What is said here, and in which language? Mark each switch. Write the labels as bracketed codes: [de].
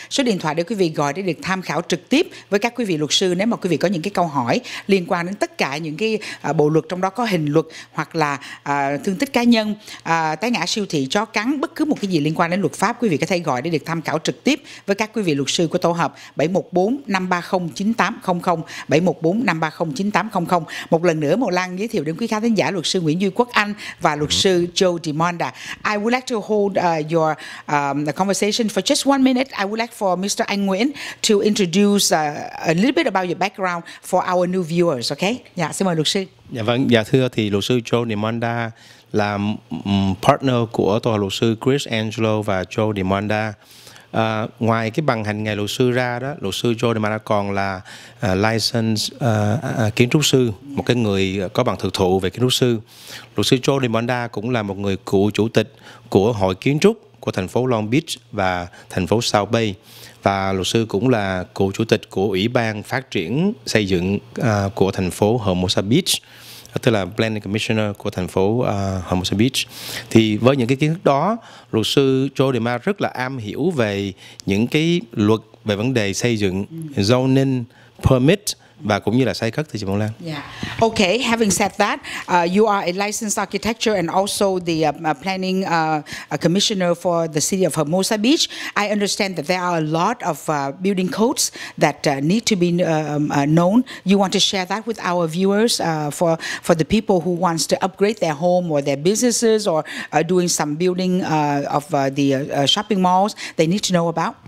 [vi] Số điện thoại để quý vị gọi để được tham khảo trực tiếp với các quý vị luật sư nếu mà quý vị có những cái câu hỏi liên quan đến tất cả những cái bộ luật, trong đó có hình luật hoặc là thương tích cá nhân, tái ngã siêu thị, chó cắn, bất cứ một cái gì liên quan đến luật pháp, quý vị có thể gọi để được tham khảo trực tiếp với các quý vị luật sư của tổ hợp 714-530-9800. 714-530-9800. Một lần nữa, Mộ Lan giới thiệu đến quý khán thính giả luật sư Nguyễn Duy Quốc Anh và luật sư Joe DiMonda. [en] I would like to hold your conversation for just 1 minute. I would like for Mr. Anh Nguyễn to introduce a little bit about your background for our new viewers, okay? [vi] Dạ, xin mời luật sư. Dạ vâng, dạ thưa, thì luật sư Joe DiMonda là partner của tòa luật sư Chris Angelo và Joe DiMonda. Ngoài cái bằng hành nghề luật sư ra đó, luật sư Joe DiMonda còn là licensed kiến trúc sư, một cái người có bằng thực thụ về kiến trúc sư. Luật sư Joe DiMonda cũng là một người cựu chủ tịch của hội kiến trúc của thành phố Long Beach và thành phố South Bay, và luật sư cũng là cựu chủ tịch của ủy ban phát triển xây dựng của thành phố Hermosa Beach, tức là Planning Commissioner của thành phố Hermosa Beach. Thì với những cái kiến thức đó, luật sư Joe DiMonda rất là am hiểu về những cái luật về vấn đề xây dựng, zoning, permit và cũng như là xây cất, thì chị Mông Lan. [en] Yeah. Okay, having said that, you are a licensed architecture and also the planning commissioner for the city of Hermosa Beach. I understand that there are a lot of building codes that need to be known. You want to share that with our viewers for the people who wants to upgrade their home or their businesses or doing some building of the shopping malls they need to know about?